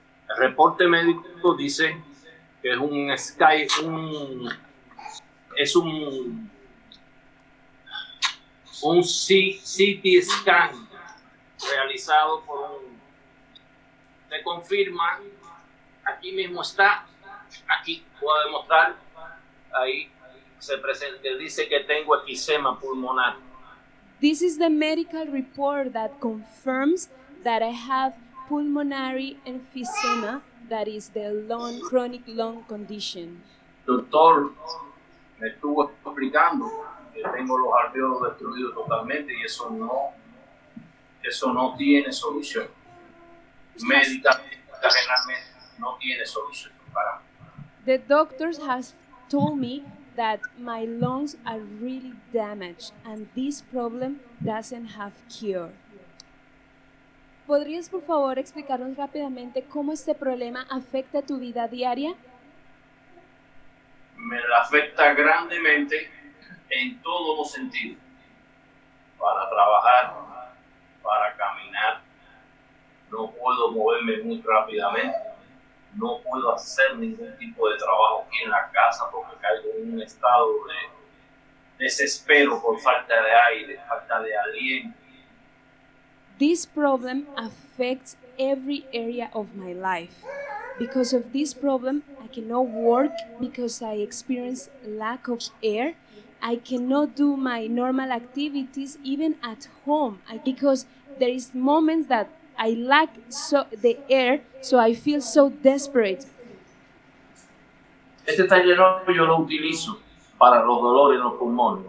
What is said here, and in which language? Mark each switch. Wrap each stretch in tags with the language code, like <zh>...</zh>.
<es>El reporte médico dice que es un sky, un CT scan realizado por un, te confirma, aquí mismo está, aquí puedo demostrar, ahí se presenta, dice que tengo enfisema pulmonar.</es> <en>This is the medical report that confirms that I have pulmonary emphysema, that is the lung, chronic lung condition.</en> <es>Doctor, me estuvo explicando que tengo los alvéolos destruidos totalmente y eso no tiene solución. Médicamente, generalmente, no tiene solución para</es> <en>mí. The doctor has told me that my lungs are really damaged and this problem doesn't have cure.</en> <es>¿Podrías, por favor, explicarnos rápidamente cómo este problema afecta tu vida diaria? Me la afecta grandemente en todos los sentidos. Para trabajar, para caminar, no puedo moverme muy rápidamente, no puedo hacer ningún tipo de trabajo aquí en la casa porque caigo en un estado de desespero por falta de aire, falta de aliento.</es> <en>This problem affects every area of my life. Because of this problem, I cannot work because I experience lack of air. I cannot do my normal activities even at home because there is moments that I lack so the air, so I feel so desperate.</en> <es>Este taller yo lo utilizo para los dolores en los pulmones.</es>